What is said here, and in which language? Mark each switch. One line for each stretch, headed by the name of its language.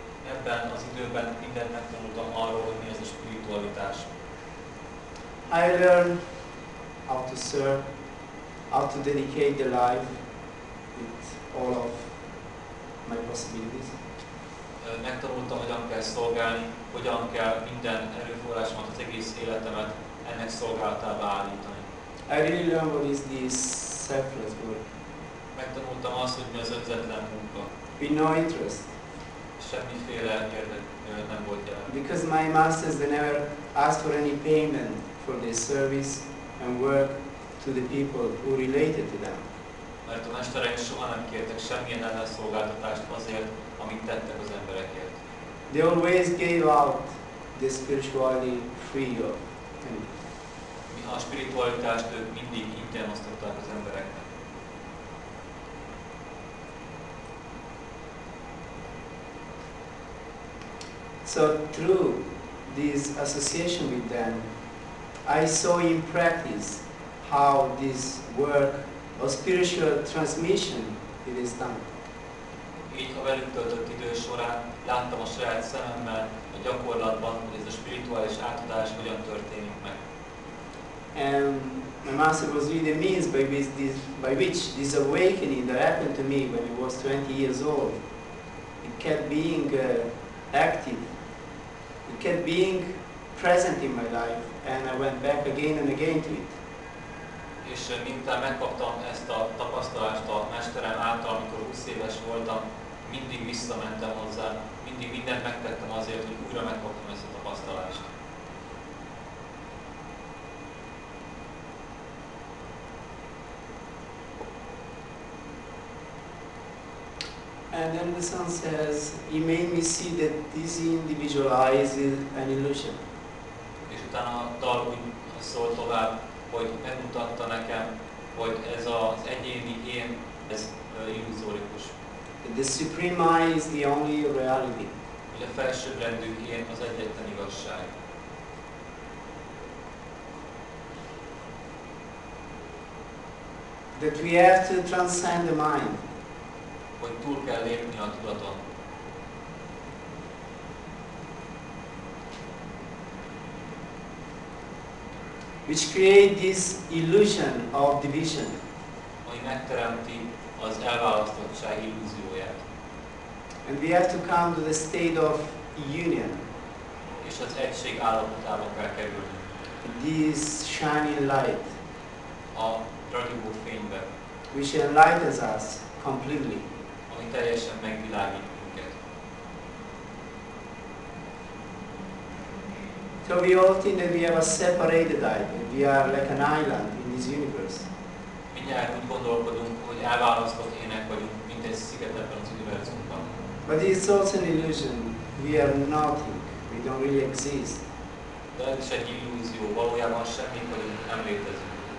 Hungarian: Ebben az időben mindent megtanultam arról, hogy mi az a spiritualitás.
English: I learned how to serve, how to dedicate the life with all of my possibilities.
Hungarian: Megtanultam, hogyan kell szolgálni, hogyan kell minden erőforrásomat, az egész életemet ennek szolgálatába állítani.
English: I really learned what is this selfless work.
Hungarian: Megtanultam azt, hogy mi az önzetlen munka.
English: With no interest.
Hungarian: Semmiféle érdek nem volt jelen.
English: Because my masters, they never asked for any payment for their service and work to the people who related to them.
Hungarian: Mert a mestereink soha nem kértek semmilyen ellenszolgáltatást azért, amit tettek az emberekért.
English: They always gave out the spirituality free of anything.
Hungarian: Mi a spiritualitást ők mindig ingyen osztották az embereknek.
English: So through this association with them, I saw in practice how this work of spiritual transmission it is done.
Hungarian: így ha velük töltött idő során láttam a saját szememmel a gyakorlatban, hogy ez a spirituális átadás hogyan történik meg.
English: And my master was really the means by which this awakening that happened to me when I was 20 years old, it kept being active, it kept being present in my life, and I went back again and again to it.
Hungarian: És miután megkaptam ezt a tapasztalást a mesterem által, amikor 20 éves voltam, mindig visszamentem hozzá, mindig mindent megtettem azért, hogy újra megkaptam ezt a tapasztalást.
English: And then the son says, he made me see that this individual eyes is an illusion.
Hungarian: És utána a dal úgy szól tovább, hogy megmutatta nekem, hogy ez az egyéni én, ez illuzórikus.
English: The supreme eye is the only reality.
Hungarian: Hogy a felsőbbrendű én az egyetlen igazság.
English: That we have to transcend the mind.
Hungarian: Hogy túl kell lépni a tudaton.
English: Which create this illusion of division.
Hungarian: Ami megteremti az elválasztottság illúzióját.
English: And we have to come to the state of union.
Hungarian: És az egység állapotába kell kerülni.
English: This shining light.
Hungarian: A ragyogó fényben.
English: Which enlightens us completely.
Hungarian: Ami teljesen megvilágít minket.
English: So we all think that we have a separated idea. We are like an island in this universe.
Hungarian: Mindjárt úgy gondolkodunk, hogy elválasztott ének vagyunk, mint egy sziget ebben az univerzumban.
English: But it's also an illusion. We are nothing. We don't really exist.
Hungarian: De ez is egy illúzió. Valójában semmi vagyunk, nem létezünk.